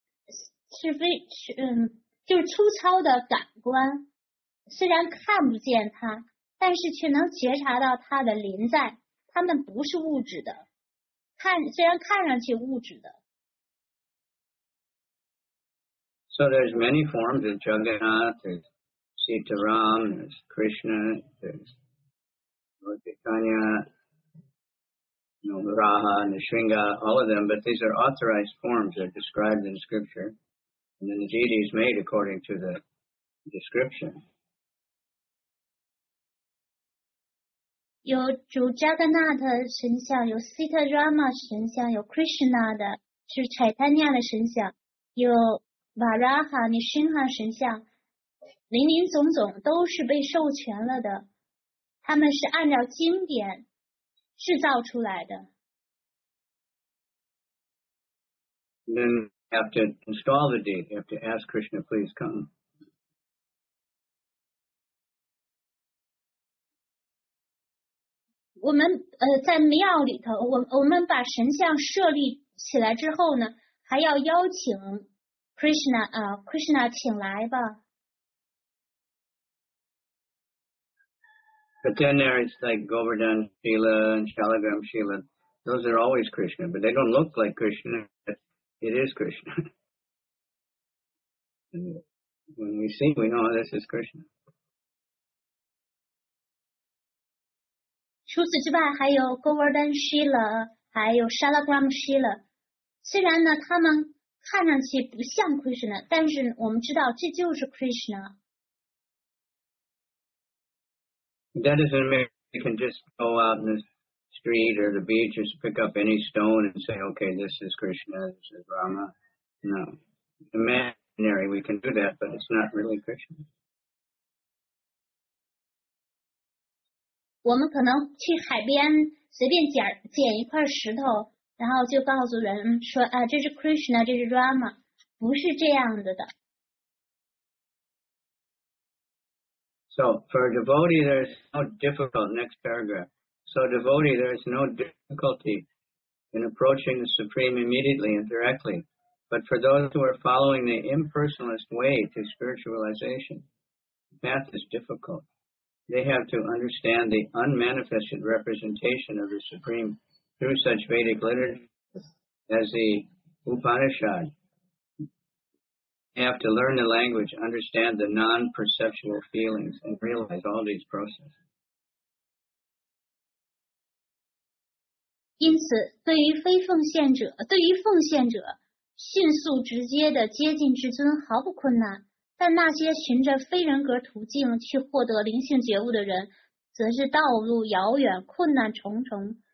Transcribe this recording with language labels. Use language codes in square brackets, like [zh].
[zh] 是非就是粗糙的感官，虽然看不见它，但是却能觉察到它的临在。它们不是物质的，虽然看上去物质的。 [en] So there's many forms of Jagannath, Sitaram, Krishna, Lord Chaitanya, Raha, Nrisimha, all of them, but these are authorized forms that are described in scripture. And then the deity is made according to the description. [zh] 有主 Jagannath 神像，有 Sitarama 神像，有 Krishna 的，是 Chaitanya 的神像，有 Varaha、Nrisimha 神像，林林总总都是被授权了的，他们是按照经典制造出来的。 [en] Then you have to install the deity. You have to ask Krishna, please come. We [zh] 把神像设立起来之后呢，还要邀请 Krishna 啊 ，Krishna 请来吧。 [en] But then there is like Govardhan Shila and Shalagram Shila. Those are always Krishna, but they don't look like Krishna. But it is Krishna. When we see, we know this is Krishna. [zh] 除此之外，还有 Govardhan Shila， 还有 Shalagram Shila。虽然呢，他们看上去不像 Krishna， 但是我们知道这就是 Krishna。 [en] That is an American. You can just go out in the street or the beach, just pick up any stone and say, okay, this is Krishna, this is Rama. No. Imaginary, we can do that, but it's not really Krishna. [zh] 我们可能去海边随便 捡一块石头，然后就告诉人说，啊，这是 Krishna, 这是 Rama. 不是这样子的。 [en] So, for a devotee, there's no difficulty, next paragraph. So, devotee, there's no difficulty in approaching the Supreme immediately and directly. But for those who are following the impersonalist way to spiritualization, the path is difficult. They have to understand the unmanifested representation of the Supreme through such Vedic literature as the Upanishad. They have to learn the language, understand the non-perceptual feelings, and realize all these processes. [zh] 因此，对于奉献者，迅速直接的接近至尊毫不困难。但那些循着非人格途径去获得灵性觉悟的人，则是道路遥远，困难重重。